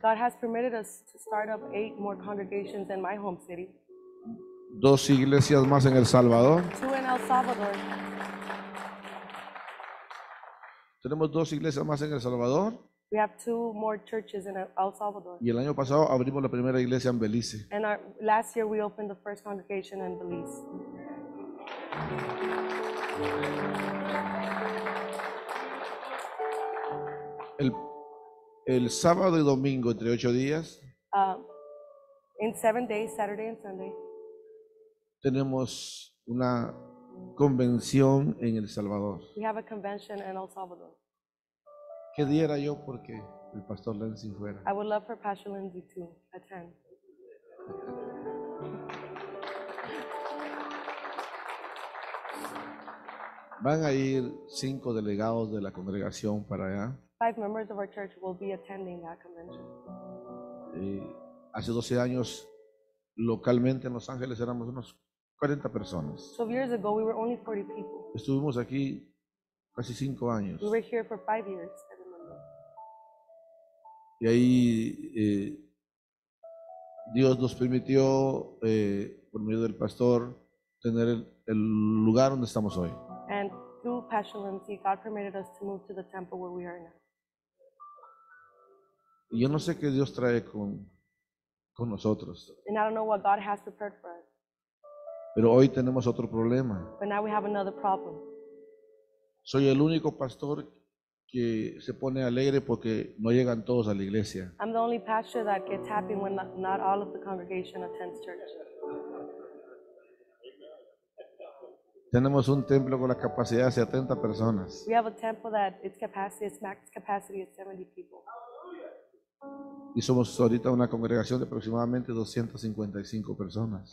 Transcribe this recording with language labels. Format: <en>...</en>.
<en>God has permitted us to start up 8 more congregations in my home city.</en> <es>2 iglesias más en El Salvador.</es> <en>2 in El Salvador.</en> <es>Tenemos 2 iglesias más en El Salvador.</es> <en>We have 2 more churches in El Salvador.</en> <es>Y el año pasado abrimos la primera iglesia en Belice.</es> <en>And our, last year we opened the first congregation in Belize.</en> <es>El sábado y domingo entre 8 días.</es> <en>In 7 days, Saturday and Sunday.</en> <es>Tenemos una convención en El Salvador.</es> <en>We have a convention in El Salvador.</en> <es>Que diera yo porque el Pastor Lenzi fuera.</es> <en>I would love for Pastor Lenzi to attend.</en> <es>Van a ir 5 delegados de la congregación para allá.</es> <en>5 members of our church will be attending that convention.</en> <es>Hace 12 años, localmente en Los Ángeles, éramos unos 40 personas.</es> <en>12 years ago, we were only 40 people.</en> <es>Estuvimos aquí casi 5 años.</es> <en>We were here for 5 years.</en> <es>Y ahí Dios nos permitió, por medio del pastor, tener el lugar donde estamos hoy.</es> <en>And through Pastor Lindsay, God permitted us to move to the temple where we are now.</en> <es>Y yo no sé qué Dios trae con nosotros.</es> <en>And I don't know what God has prepared for us.</en> <es>Pero hoy tenemos otro problema.</es> <en>But now we have another problem.</en> <es>Soy el único pastor que se pone alegre porque no llegan todos a la iglesia.</es> <en>I'm the only pastor that gets happy when not all of the congregation attends church.</en> <es>Tenemos un templo con la capacidad de 70 personas.</es> <en>We have a temple that its capacity, its max capacity is 70 people.</en> <es>Y somos ahorita una congregación de aproximadamente 255 personas.</es>